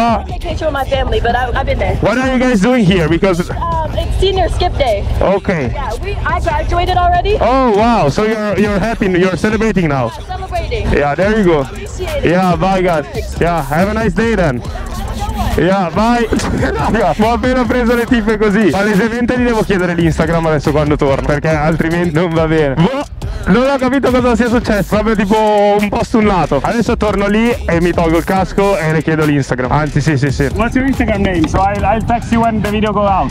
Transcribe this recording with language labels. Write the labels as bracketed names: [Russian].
[English] I took vacation with my family, but I've been there. What are you guys doing here? Because it's senior skip day. Okay. Yeah, I graduated already. Oh, wow. So you're happy. You're celebrating now. Yeah, celebrating. Yeah, there you go. Appreciate it. Yeah. Bye guys. Yeah, have a nice day then. Yeah, bye. [Italian] Ho appena preso le tippe così. Palesemente gli devo chiedere l'Instagram adesso quando torno, perché altrimenti non va bene. Non ho capito cosa sia successo. Proprio tipo un po' stunnato. Adesso torno lì e mi tolgo il casco e le chiedo l'Instagram. Anzi, sì, sì, sì. [English] What's your Instagram name? So I'll text you when the video goes out.